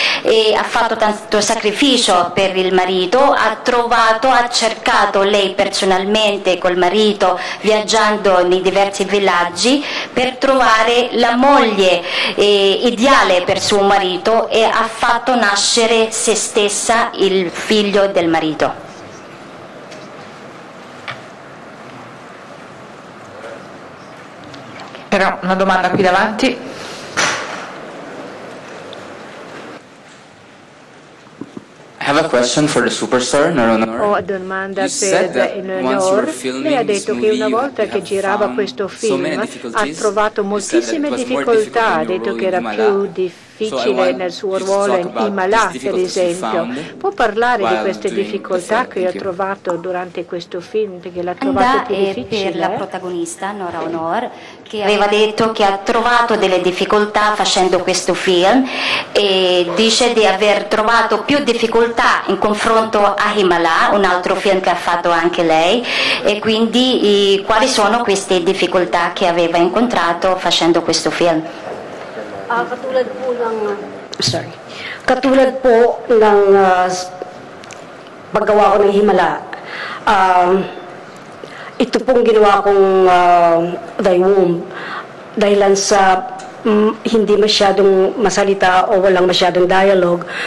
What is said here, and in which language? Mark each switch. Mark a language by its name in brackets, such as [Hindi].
[Italian] e ha fatto tanto sacrificio per il marito, ha cercato lei personalmente col marito, viaggiando nei diversi villaggi, per trovare la moglie ideale per suo marito e ha fatto nascere se stessa il figlio del marito. Però una domanda qui davanti. [English] I have a question for the superstar, Nora Honor. [Italian] Ho una domanda per Nora. Lei ha detto che una volta che girava questo film ha trovato moltissime difficoltà, ha detto che era più difficile nel suo ruolo in Malà, per esempio. Può parlare di queste difficoltà che ha trovato durante questo film, perché l'ha trovato più difficile? Per la protagonista, Nora Honor, che aveva detto che ha trovato delle difficoltà facendo questo film e dice di aver trovato più difficoltà in confronto a Himala, un altro film che ha fatto anche lei, e quindi quali sono queste difficoltà che aveva incontrato facendo questo film? [Filipino] Katulad po ng paggawa ko ng Himala, ito pong ginawa kong daywomb dahilan sa hindi masyadong masalita o walang masyadong dialogue.